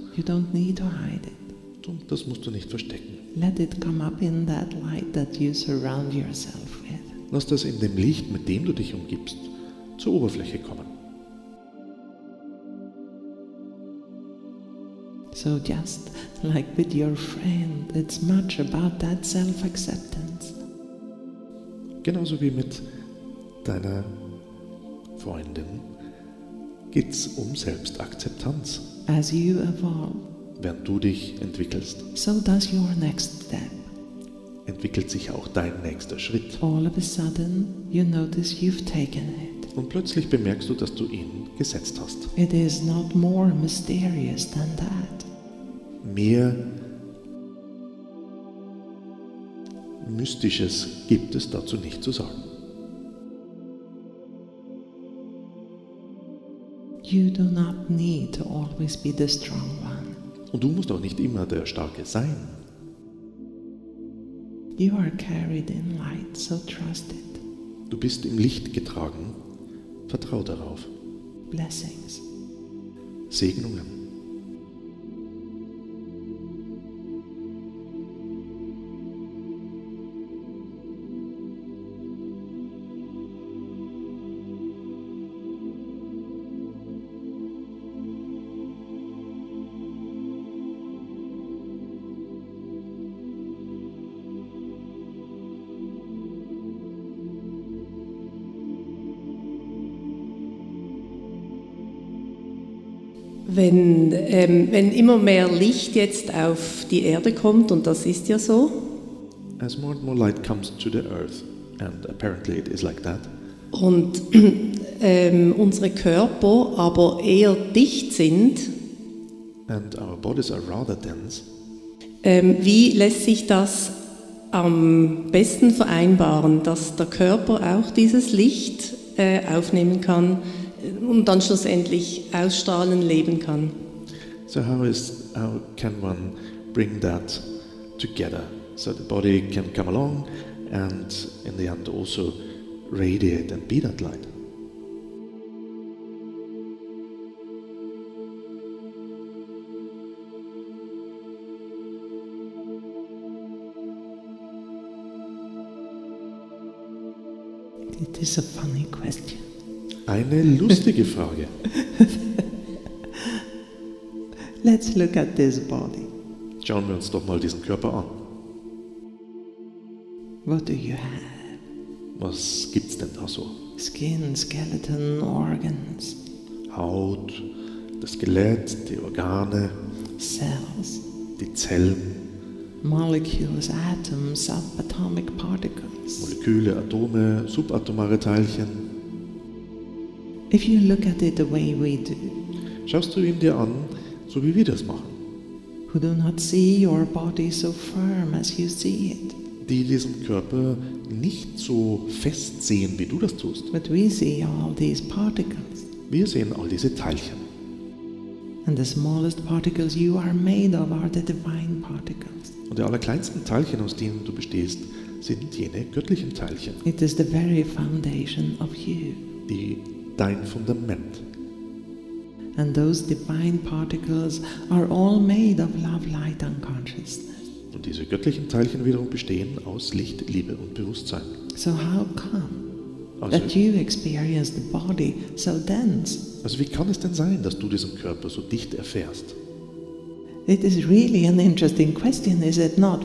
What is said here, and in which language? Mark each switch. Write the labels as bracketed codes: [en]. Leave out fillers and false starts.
[en] You don't need to hide it. [de] und das musst du nicht verstecken. [en] Let it come up in that light that you surround yourself with. [de] Lass das in dem Licht, mit dem du dich umgibst, zur Oberfläche kommen. [en] So just like with your friend, it's much about that self-acceptance. [de] Genauso wie mit deiner Freundin geht's um Selbstakzeptanz. [en] As you evolve, [de] während du dich entwickelst, [en] so does your next step. [de] Entwickelt sich auch dein nächster Schritt. [en] All of a sudden, you notice you've taken it. [de] Und plötzlich bemerkst du, dass du ihn gesetzt hast. [en] It is not more mysterious than that. [de] Mehr Mystisches gibt es dazu nicht zu sagen. [en] You do not need to always be the strong one. [de] Und du musst auch nicht immer der Starke sein. [en] You are carried in light, so trust it. [de] Du bist im Licht getragen. Vertrau darauf. [en] Blessings. [de] Segnungen. Wenn immer mehr Licht jetzt auf die Erde kommt, und das ist ja so. [en] As more and more light comes to the earth, and apparently it is like that. [de] Und unsere Körper aber eher dicht sind. [en] And our bodies are rather dense. [de] Wie lässt sich das am besten vereinbaren, dass der Körper auch dieses Licht aufnehmen kann und dann schlussendlich ausstrahlen leben kann? [en] So how can one bring that together? So the body can come along and in the end also radiate and be that light. It is a funny question. [de] Eine lustige Frage. [en] Let's look at this body. [de] Schauen wir uns doch mal diesen Körper an. [en] What do you have? [de] Was gibt's denn da so? [en] Skin, skeleton, organs. [de] Haut, das Skelett, die Organe. [en] Cells. [de] Die Zellen. [en] Molecules, atoms, subatomic particles. [de] Moleküle, Atome, subatomare Teilchen. [en] If you look at it the way we do, [de] schaust du ihn dir an, so wie wir das machen, [en] who do not see your body so firm as you see it, [de] die diesen Körper nicht so fest sehen, wie du das tust, [en] but we see all these particles, [de] wir sehen all diese Teilchen, [en] and the smallest particles you are made of are the divine particles, [de] und die allerkleinsten Teilchen, aus denen du bestehst, sind jene göttlichen Teilchen. [en] It is the very foundation of you. [de] Die dein Fundament. [en] And those divine particles are all made of love, light and consciousness. [de] Und diese göttlichen Teilchen wiederum bestehen aus Licht, Liebe und Bewusstsein. [en] So how come that you experience the body so dense? [de] Also wie kann es denn sein, dass du diesen Körper so dicht erfährst? [en] It is really an interesting question, is it not?